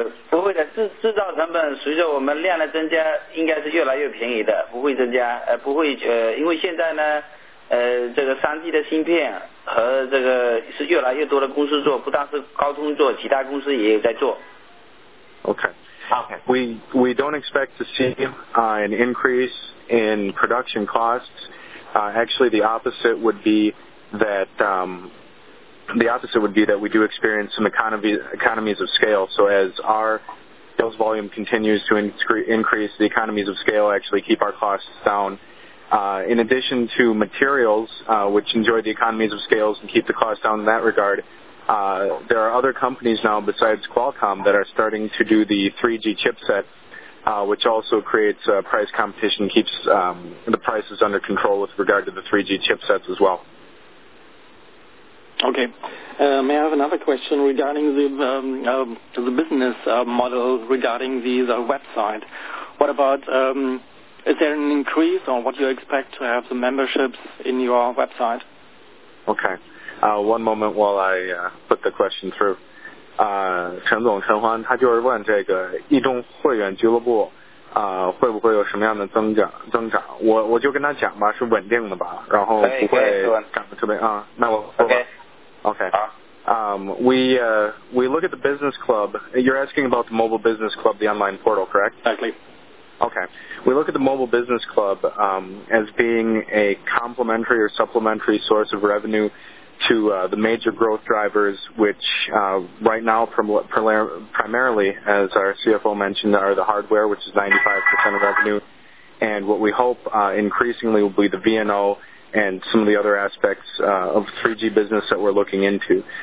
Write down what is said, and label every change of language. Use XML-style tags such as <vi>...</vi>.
<zh>不会的，制造成本随着我们量的增加，应该是越来越便宜的，不会增加，不会因为现在呢，这个 3G 的芯片和这个是越来越多的公司做，不但是高通做，其他公司也有在做。</zh> <en>Okay. We don't expect to see an increase in production costs. Actually, the opposite would be that we do experience some economies of scale. So as our sales volume continues to increase, the economies of scale actually keep our costs down. In addition to materials, which enjoy the economies of scale and keep the costs down in that regard, there are other companies now besides Qualcomm that are starting to do the 3G chipset, which also creates price competition, keeps the prices under control with regard to the 3G chipsets as well. Okay. May I have another question regarding the business model regarding the website? What about, is there an increase or what do you expect to have the memberships in your website? Okay. One moment while I put the question through.</en> <zh>陈总陈欢他就是问这个移动会员俱乐部会不会有什么样的增长。我就跟他讲吧，是稳定的吧，然后不会涨得特别啊。那我说吧。</zh> <en>Okay. We look at the business club. You're asking about the mobile business club, the online portal, correct? Exactly. Okay. We look at the mobile business club as being a complementary or supplementary source of revenue to the major growth drivers, which right now primarily, as our CFO mentioned, are the hardware, which is 95% of revenue, and what we hope increasingly will be the VNO and some of the other aspects of 3G business that we're looking into.</en>